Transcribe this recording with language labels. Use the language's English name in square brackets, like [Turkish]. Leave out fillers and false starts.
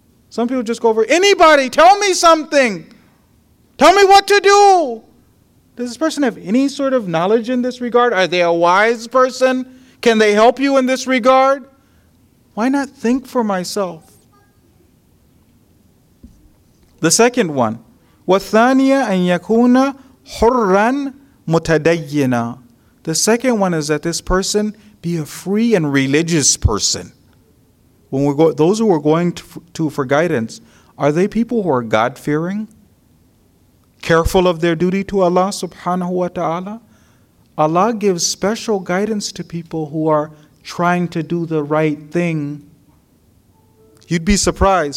[English] Some people just go over, anybody, tell me something. Tell me what to do. Does this person have any sort of knowledge in this regard? Are they a wise person? Can they help you in this regard? Why not think for myself? The second one, [Arabic] وَثَانِيَ أَنْ يَكُونَ حُرًّا مُتَدَيِّنًا. [English] The second one is that this person be a free and religious person. When we go, those who are going to for guidance, are they people who are God-fearing? Careful of their duty to Allah subhanahu wa ta'ala? Allah gives special guidance to people who are trying to do the right thing. You'd be surprised.